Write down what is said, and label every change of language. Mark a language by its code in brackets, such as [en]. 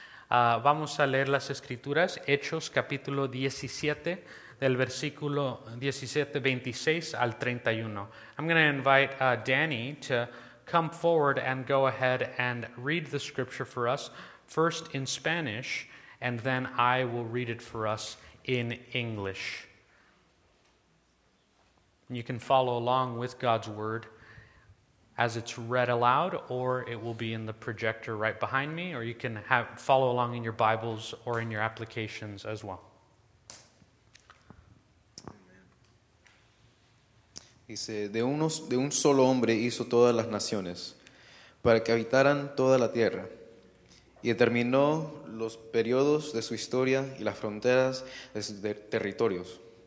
[es] Vamos a leer las escrituras, Hechos capítulo 17, del versículo 17, 26 al 31. [en] I'm going to invite Danny to come forward and go ahead and read the scripture for us, first in Spanish, and then I will read it for us in English. You can follow along with God's word as it's read aloud, or it will be in the projector right behind me, or you can follow along in your Bibles or in your applications as well. [es] Dice, de un solo hombre hizo todas las naciones para que habitaran toda la tierra y determinó los periodos de su historia y las fronteras de sus territorios.